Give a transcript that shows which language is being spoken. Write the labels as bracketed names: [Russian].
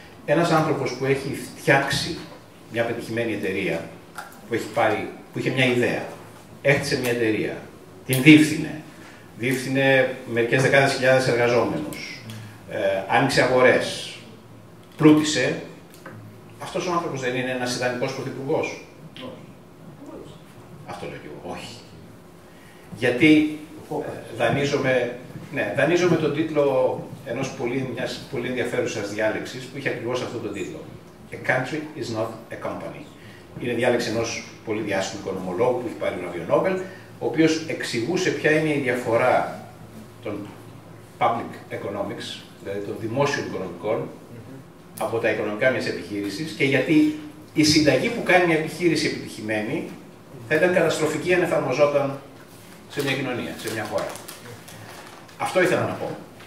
[Greek] ένας άνθρωπος που έχει φτιάξει μια πετυχημένη εταιρεία, που, έχει πάρει, που είχε μια ιδέα, έκτισε μια εταιρεία, την δίευθυνε, δίευθυνε μερικές δεκάδες χιλιάδες εργαζόμενους, άνοιξε αγορές, πλούτησε, αυτός ο άνθρωπος δεν είναι ένας ιδανικός πρωθυπουργός? Όχι. Αυτό λέω και εγώ, όχι. Γιατί δανείζομαι, ναι, δανείζομαι τον τίτλο ενός πολύ, μιας πολύ ενδιαφέρουσας διάλεξης που είχε ακριβώς αυτόν τον τίτλο. [English] A country is not a company. [Greek] Είναι διάλεξη ενός πολύ διάσημου οικονομολόγου που έχει πάρει βραβείο Νόμπελ, ο οποίος εξηγούσε ποια είναι η διαφορά των public economics, δηλαδή των δημόσιων οικονομικών, από τα οικονομικά μιας επιχείρησης και γιατί η συνταγή που κάνει μια επιχείρηση επιτυχημένη θα ήταν καταστροφική αν εφαρμοζόταν σε μια κοινωνία, σε μια χώρα. Αυτό ήθελα να πω.